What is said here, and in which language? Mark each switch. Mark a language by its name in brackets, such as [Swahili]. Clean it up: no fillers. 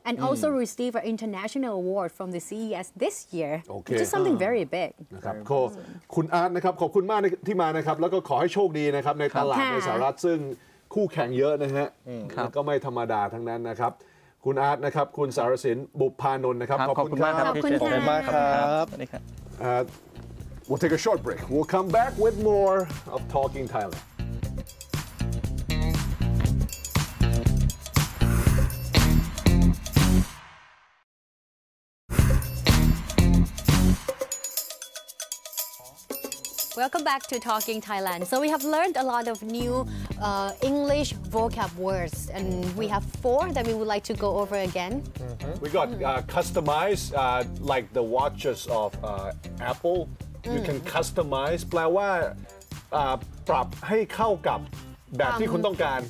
[English] and also receive an international award from the CES this year okay. which is something very big [Thai] นะครับก็คุณอาร์ตนะครับขอบคุณมากที่มานะครับแล้วก็ขอให้โชคดีนะครับในตลาดในสหรัฐซึ่งคู่แข่งเยอะนะฮะแล้วก็ไม่ธรรมดาทั้งนั้นนะครับคุณอาร์ตนะครับคุณสารสินบุพพานนท์นะครับ ขอบคุณมากครับ ขอบคุณ มากครับ สวัสดีครับ [English] We'll take a short break. We'll come back with more of Talking Thailand. Welcome back to Talking Thailand. So we have learned a lot of new English vocab words, and we have four that we would like to go over again. We got customized, like the watches of Apple. [Thai] You can customize แปลว่าปรับให้เข้ากับแบบที่คุณต้องการ